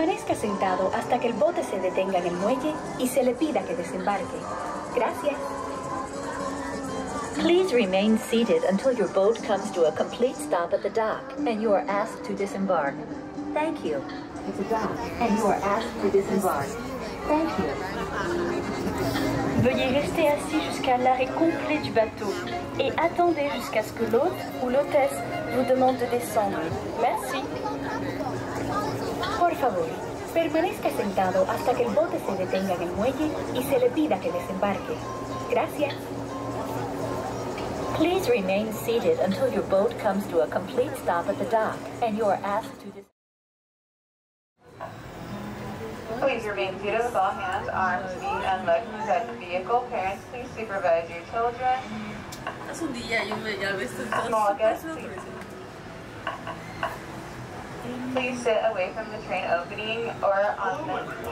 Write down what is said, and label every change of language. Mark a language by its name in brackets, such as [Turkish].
[Spanish] esperado hasta que el bote se detenga en el muelle y se le pida que desembarque. Gracias. [English] Please remain seated until your boat comes to a complete stop at the dock and you are asked to disembark. Thank you. It's a dock and you are asked to disembark. Thank you. [French] Veuillez rester assis jusqu'à l'arrêt complet du bateau et attendez jusqu'à ce que l'hôte ou l'hôtesse vous demande de descendre. Merci. [Spanish] Por favor, permanezca sentado hasta que el bote se detenga en el muelle y se le pida que desembarque. Gracias. [English] Please remain seated until your boat comes to a complete stop at the dock and you are asked to disembark. Please remain seated with all hands, arms, feet, and legs at the vehicle. Parents, please supervise your children. Small guests, please sit away from the train opening or on the